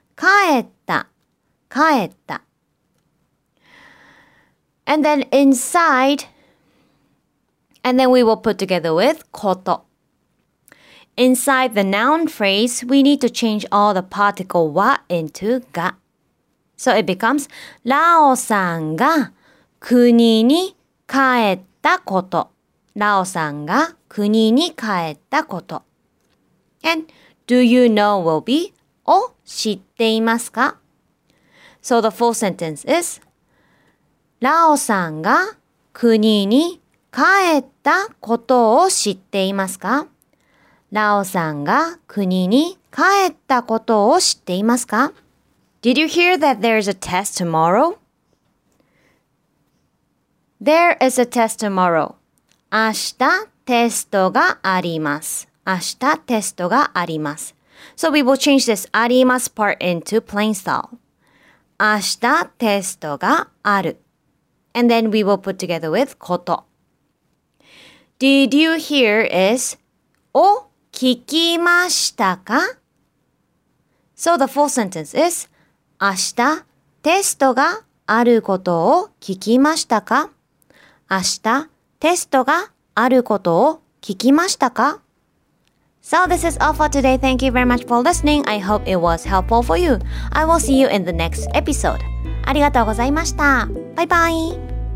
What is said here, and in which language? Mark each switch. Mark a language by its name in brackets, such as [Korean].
[Japanese] 帰った帰った。 [English] And then inside, and then we will put together with こと. Inside the noun phrase, we need to change all the particle wa into が. So it becomes [Japanese] ラオさんが国に帰ったこと. ラオさんが国に帰ったこと. [English] And do you know will be [Japanese] を知っていますか? [English] So the full sentence is, [Japanese] ラオさんが国に帰ったことを知っていますか? ラオさんが国に帰ったことを知っていますか? [English] Did you hear that there is a test tomorrow? There is a test tomorrow. [Japanese] 明日テストがあります。明日テストがあります。 [English] So we will change this あります part into plain style. [Japanese] 明日テストがある。 [English] And then we will put together with こと. Did you hear is [Japanese] を聞きましたか? [English] So the full sentence is [Japanese] 明日テストがあることを聞きましたか? 明日テストがあることを聞きましたか? [English] So this is all for today. Thank you very much for listening. I hope it was helpful for you. I will see you in the next episode. [Japanese] ありがとうございました。バイバイ。